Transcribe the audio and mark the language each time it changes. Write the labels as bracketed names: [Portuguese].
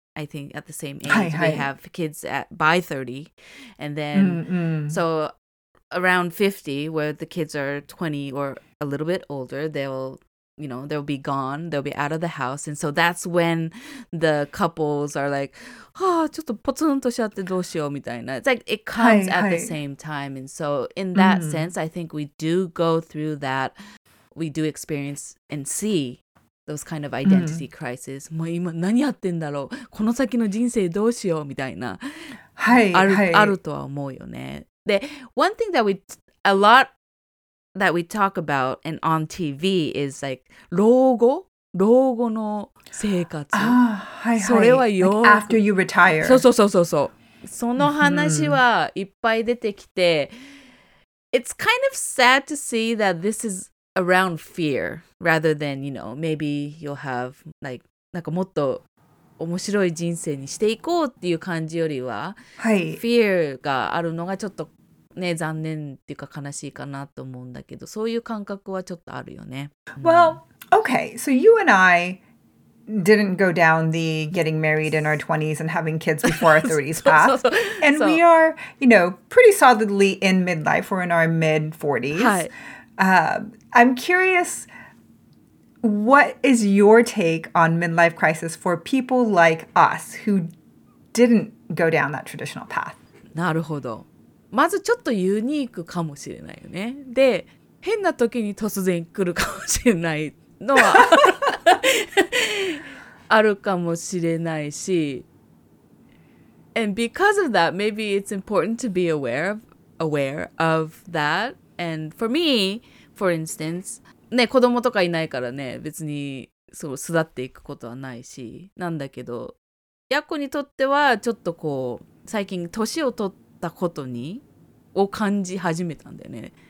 [English] I think at the same age we have kids at by 30, and then so around 50, where the kids are 20 or a little bit older, they'll, you know, they'll be gone, they'll be out of the house, and so that's when the couples are like, ah, [Japanese] ちょっとポツンとしちゃってどうしようみたいな。 [English] It's like it comes at the same time, and so in that sense, I think we do go through that, we do experience and see those kind of identity crisis. [Japanese] もう今何やってんだろう、この先の人生どうしようみたいな、あるとは思うよね。 [English] で、one thing that we a lot that we talk about and on TV is like 老後の生活。 [Japanese] ああ、はいはい。それはよ、 [English] like、after you retire。 [Japanese] そうそうそうそうそう。その話はいっぱい出てきて、 [English] It's kind of sad to see that this is around fear rather than, you know, maybe you'll have like [Japanese] なんかもっと面白い人生にしていこうっていう感じよりは、はい、フィアがあるのがちょっとね、残念っていうか悲しいかなと思うんだけど、そういう感覚はちょっとあるよね。 [English] Well, okay, so you and I didn't go down the getting married in our 20s and having kids before our 30s path. [Japanese] そうそうそう。 [English] And [Japanese] そう。 [English] We are, you know, pretty solidly in midlife. We're in our mid-40s. [Japanese] はい。 [English] I'm curious... What is your take on midlife crisis for people like us who didn't go down that traditional path? [Japanese] なるほど。まずちょっとユニークかもしれないよね。で、変な時に突然来るかもしれないのはあるかもしれないし。 [English] And because of that, maybe it's important to be aware of that. And for me, for instance... [Japanese] ね、子供とかいないからね、別にそう巣立っていくことはないし、なんだけど、ヤコにとってはちょっとこう、最近年を取ったことにを感じ始めたんだよね。